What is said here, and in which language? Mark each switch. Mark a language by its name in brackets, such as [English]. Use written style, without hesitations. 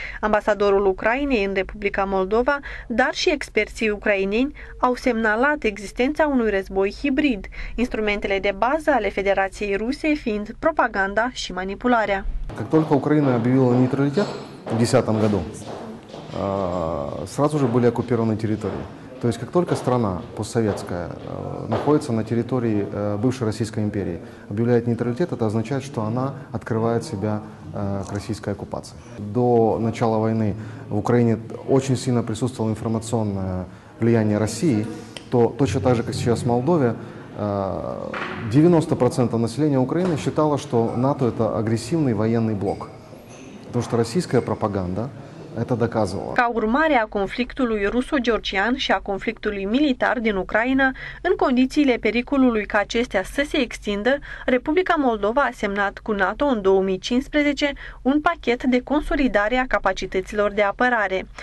[Romanian] Ambasadorul Ucrainei în Republica Moldova, dar și experții ucraineni, au semnalat existența unui război hibrid, instrumentele de bază ale Federației Ruse fiind propaganda și manipularea. Când Ucraina a declarat neutralitate în 2010 [Russian] году, сразу же были оккупированы территории. То есть как только страна постсоветская находится на территории бывшей Российской империи, объявляет нейтралитет, это означает, что она открывает себя к российской оккупации. До начала войны в Украине очень сильно присутствовало информационное влияние России, то точно так же, как сейчас в Молдове, 90% населения Украины считало, что НАТО — это агрессивный военный блок. Потому что российская пропаганда [Romanian] ca urmare a conflictului ruso-georgian și a conflictului militar din Ucraina, în condițiile pericolului ca acestea să se extindă, Republica Moldova a semnat cu NATO în 2015 un pachet de consolidare a capacităților de apărare.